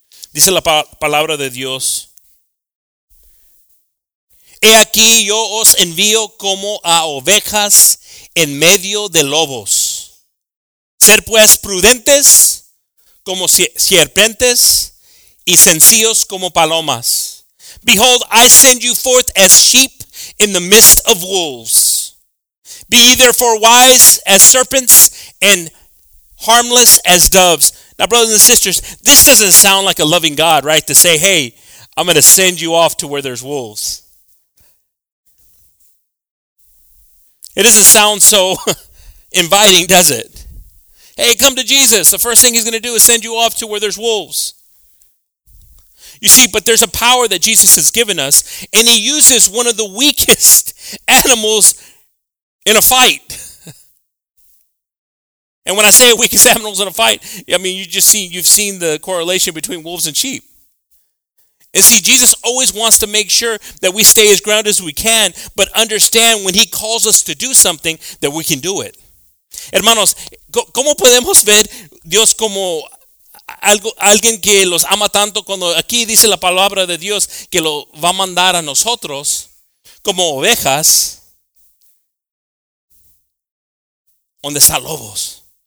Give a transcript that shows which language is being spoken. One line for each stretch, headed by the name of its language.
Spanish: Dice la palabra de Dios: He aquí, yo os envío como a ovejas en medio de lobos. Ser pues prudentes como serpientes y sencillos como palomas.
English: Behold, I send you forth as sheep in the midst of wolves. Be ye therefore wise as serpents and harmless as doves. Now, brothers and sisters, this doesn't sound like a loving God, right? To say, hey, I'm going to send you off to where there's wolves. It doesn't sound so inviting, does it? Hey, come to Jesus. The first thing he's going to do is send you off to where there's wolves. You see, but there's a power that Jesus has given us, and he uses one of the weakest animals in a fight. And when I say weakest animals in a fight, I mean, you've seen the correlation between wolves and sheep. And see, Jesus always wants to make sure that we stay as grounded as we can, but understand when he calls us to do something, that we can do it.
Spanish: Hermanos, ¿cómo podemos ver Dios como alguien que los ama tanto cuando aquí dice la palabra de Dios que lo va a mandar a nosotros como ovejas donde están lobos?